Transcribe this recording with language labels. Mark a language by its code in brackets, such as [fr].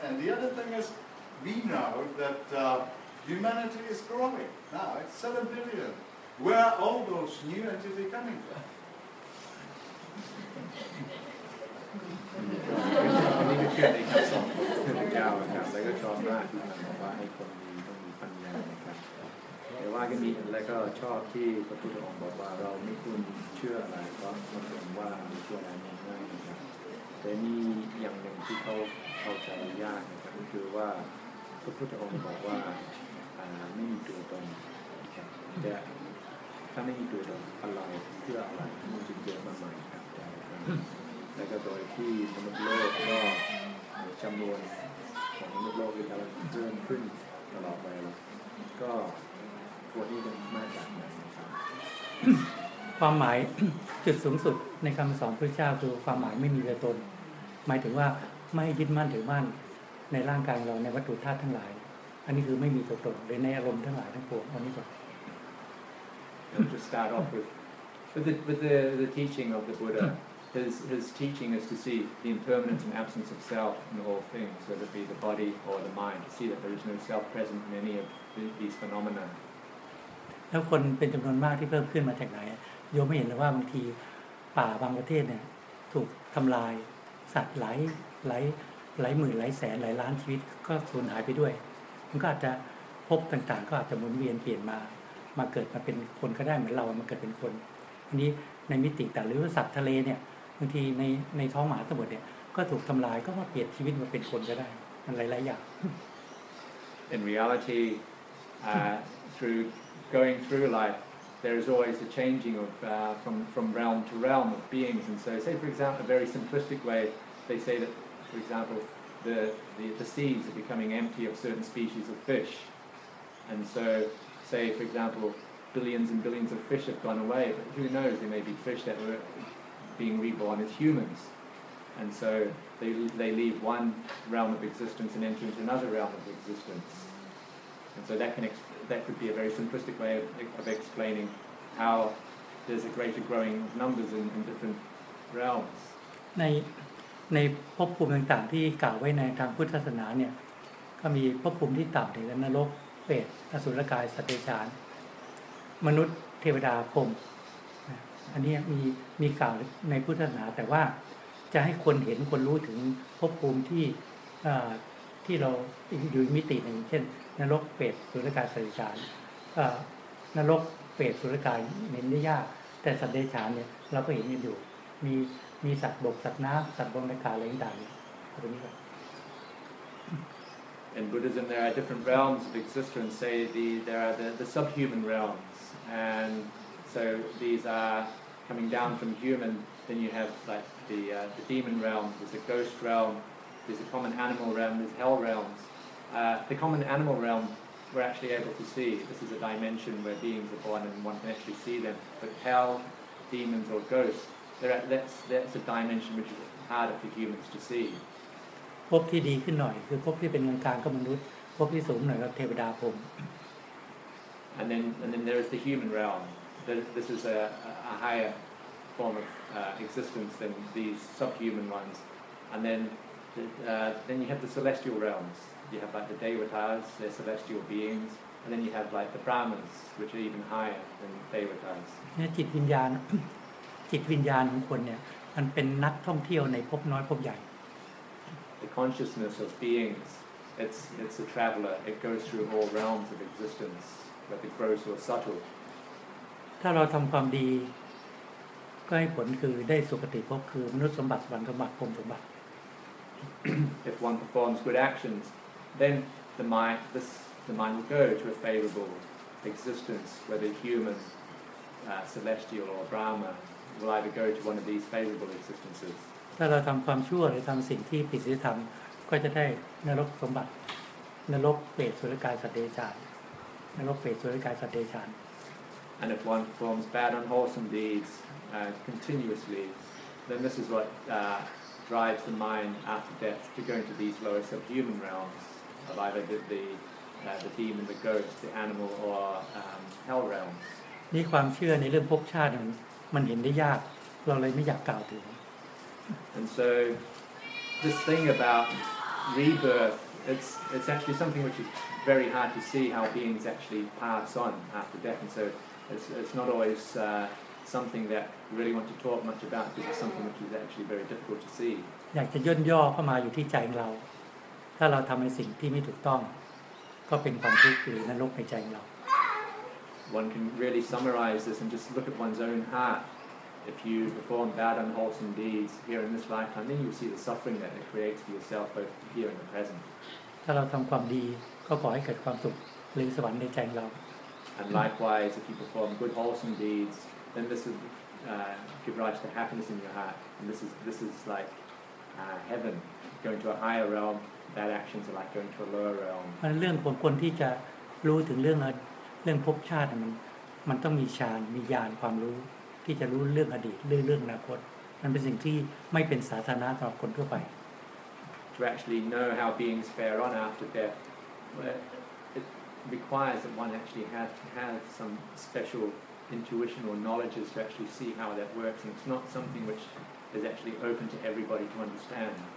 [en] And the other thing is, we know that... Humanity is growing now. It's 7 billion. Where are all those new entities coming from? I think it's getting some. Yeah, okay. They got some right. But I think we need to be patient. [th] แต่ว่าก็มีแล้วก็ชอบที่พระพุทธองค์บอกว่าเราไม่ควรเชื่ออะไรก็ควรว่าเชื่ออะไรไม่ง่ายนะครับแต่มีอย่างหนึ่งที่เขาจะยากนะครับก็คือว่าพระพุทธองค์บอกว่าไม่มีตัวตนจะถ้าไม่มีตัวตนอะไรเพื่ออะไรมันจึงเยอะมากมายครับ แล้วก็โดยที่มนุษย์โลกก็จำนวนของมนุษย์โลกก็กำลังเพิ่มขึ้นตลอดไปก็ควรที่จะมาจากไหนครับ ความหมายจุดสูงสุดในคำสอนพระเจ้าคือความหมายไม่มีตัวตนหมายถึงว่าไม่ยึดมั่นถือมั่นในร่างกายเราในวัตถุธาตุทั้งหลายอันนี้คือไม่มีตัวตนในอารมณ์ทั้งหลายทั้งปวงอันนี้ก่อน [en] I'll just start off with the teaching of the Buddha his teaching is to see the impermanence and absence of self in all things whether it be the body or the mind see that there is no self present in any of these phenomena [th] แล้วคนเป็นจำนวนมากที่เพิ่มขึ้นมาจากไหนโยมไม่เห็นหรือว่าบางทีป่าบางประเทศเนี่ยถูกทำลายสัตว์หลายหมื่นหลายแสนหลายล้านชีวิตก็สูญหายไปด้วยมันก็อาจจะพบต่างๆก็อาจจะหมุนเวียนเปลี่ยนมาเกิดมาเป็นคนก็ได้เหมือนเรามาเกิดเป็นคนอันนี้ในมิติต่างหรือสัตว์ทะเลเนี่ยบางทีในท้องหมาสมุทรเนี่ยก็ถูกทำลายก็มาเปลี่ยนชีวิตมาเป็นคนก็ได้มันหลายๆอย่าง [en] In reality through going through life there is always a changing of from realm to realm of beings and so say for example a very simplistic way they say that for examplethe seas are becoming empty of certain species of fish and so say for example billions and billions of fish have gone away but who knows there may be fish that were being reborn as humans and so they leave one realm of existence and enter into another realm of existence and so that could be a very simplistic way of explaining how there's a greater growing of numbers in different realms. [th] ในภพภูมิต่างๆที่กล่าวไว้ในทางพุทธศาสนาเนี่ยก็มีภพภูมิที่ต่ำในนรกเปรตอสุรกายสัตว์เดรัจฉานมนุษย์เทวดาพรหมอันนี้มีกล่าวในพุทธศาสนาแต่ว่าจะให้คนเห็นคนรู้ถึงภพภูมิที่ ที่เราอยู่มิติหนึ่งเช่นนรกเปรตสุรกายสัตว์เดรัจฉานนรกเปรตสุรกายเห็นได้ยากแต่สัตว์เดรัจฉานเนี่ยเราก็เห็นกันอยู่มีสัตว์บกสัตว์น้ำสัตว์บนอากาศอะไรต่างๆตรงนี้ครับ [en] In Buddhism there are different realms of existence say there are the subhuman realms and so these are coming down from human then you have like the demon realm there's a ghost realm there's a common animal realm there's hell realms the common animal realm we're actually able to see this is a dimension where beings are born and one can actually see them but hell demons or ghostsThat's a dimension which is harder for humans to see. [th] พบที่ดีขึ้นหน่อยคือพบที่เป็นกลางๆก็มนุษย์พบที่สูงหน่อยก็เทวดาพรหม [en] And then there is the human realm. This is a higher form of existence than these subhuman ones. And then you have the celestial realms. You have like the devatas, they're celestial beings. And then you have like the brahmins, which are even higher than devatas. [th] นี่จิตวิญญาณจิตวิญญาณของคนเนี่ยมันเป็นนักท่องเที่ยวในภพน้อยภพใหญ่ [en] The consciousness of beings it's a traveler it goes through all realms of existence whether gross or subtle [th] ถ้าเราทำความดีก็ให้ผลคือได้สุคติภพคือมนุษย์สมบัติสวรรค์สมบัติพรหมสมบัติ [en] If one performs good actions then the mind will go to a favorable existence whether human celestial or brahmaWill either go to one of these favorable existences. [th] ถ้าเราทำความชั่วหรือทำสิ่งที่ผิดศีลธรรมก็จะได้นรกสมบัตินรกเปรตสุรกายสัตว์เดรัจฉานนรกเปรตสุรกายสัตว์เดรัจฉาน [en] And if one performs bad unwholesome deeds continuously, then this is what drives the mind after death to go into these lower subhuman realms, either the demon, the ghost, the animal, or hell realms. [th] นี่ความเชื่อในเรื่องภพชาติมันเห็นได้ยากเราเลยไม่อยากกล่าวถึง [en] And so this thing about rebirth it's actually something which is very hard to see how beings actually pass on after death and so it's not always something that we really want to talk much about because it's something which is actually very difficult to see [th] อยากจะย่นย่อเข้ามาอยู่ที่ใจของเราถ้าเราทำในสิ่งที่ไม่ถูกต้องก็เป็นความทุกข์หรือนรกในใจของเรา [en] One can really summarize this and just look at one's own heart. If you perform bad, unwholesome deeds here in this lifetime, then you see the suffering that it creates for yourself, both here and the present. [th] ถ้าเราทำความดีก็ขอให้เกิดความสุขหรือสวรรค์ในใจเรา [en] And likewise, if you perform good, wholesome deeds, then this will give rise to happiness in your heart. And this is like heaven, going to a higher realm. Bad actions are like going to a lower realm. [th] มันเรื่องของคนที่จะรู้ถึงเรื่องเรื่องภพชาติมันต้องมีฌานมีญาณความรู้ที่จะรู้เรื่องอดีตเรื่องอนาคตมันเป็นสิ่งที่ไม่เป็นสาธารณะสำหรับคนทั่วไป [en] To actually know how beings fare on after death it requires that one actually have some special intuition or knowledge to actually see how that works and it's not something which is actually open to everybody to understand